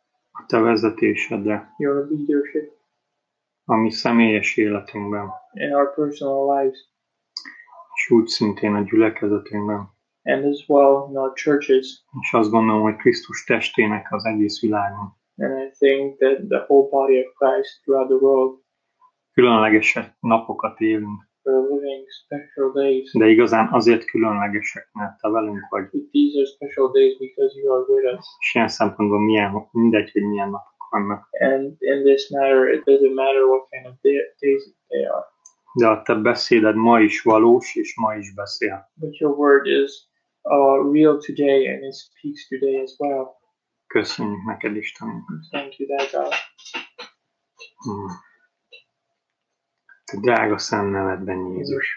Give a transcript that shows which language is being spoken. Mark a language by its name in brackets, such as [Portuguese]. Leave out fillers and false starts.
[Hungarian] A te vezetésedre. [English] Your leadership. [Hungarian] A mi személyes életünkben. [English] In our personal lives. [Hungarian] És úgy szintén a gyülekezetünkben. [English] And as well in our churches. [Hungarian] És azt gondolom, hogy Krisztus testének az egész világon. [English] And I think that the whole body of Christ throughout the world. [Hungarian] Különlegesek napokat élünk. [English] We're living special days. [Hungarian] De igazán azért különlegesek, mert te velünk vagy. [English] But these are special days because you are with us. [Hungarian] És ilyen szempontból mindegy, hogy milyen napok vannak. [English] And in this matter, it doesn't matter what kind of days they are. [Hungarian] De a te beszéded ma is valós, és ma is beszél. [English] But your word is real today and it speaks today as well. [Hungarian] Köszönjük neked, Istenünk. [English] Thank you, Dad God. [Hungarian] Te drága szám nevedben, Jézus.